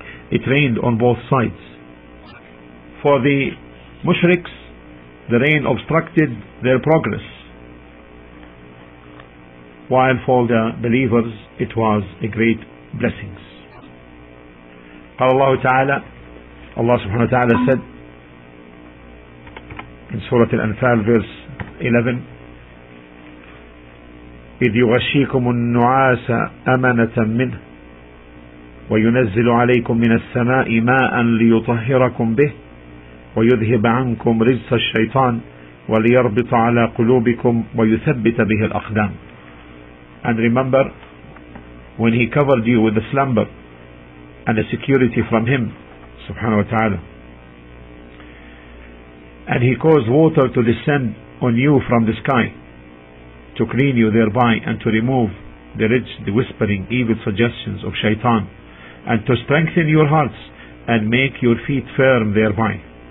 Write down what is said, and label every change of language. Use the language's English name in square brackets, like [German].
[English] It rained on both sides. For the mushriks, the rain obstructed their progress, while for the believers, it was a great blessing. [Arabic] قال الله تعالى, [English] Allah subhanahu wa ta'ala said in Surah Al-Anfal, verse 11, [Arabic] إِذْ يُغَشِّيكُمُ النُّعَاسَ أَمَنَةً مِّنْهُ وَيُنَزِّلُ عَلَيْكُم مِّنَ السَّمَاءِ مَاءً لِيُطَهِّرَكُم بِهِ وَيُذْهِبَ عَنكُمْ رِجْسَ الشَّيْطَانِ وَلِيَرْبِطَ عَلَى قُلُوبِكُمْ وَيُثَبِّتَ بِهِ الْأَقْدَامَ. [English] And remember, when he covered you with a slumber and a security from him, subhanahu wa ta'ala, and he caused water to descend on you from the sky, to clean you thereby, and to remove the rich, the whispering, evil suggestions of shaitan, and to strengthen your hearts, and make your feet firm thereby.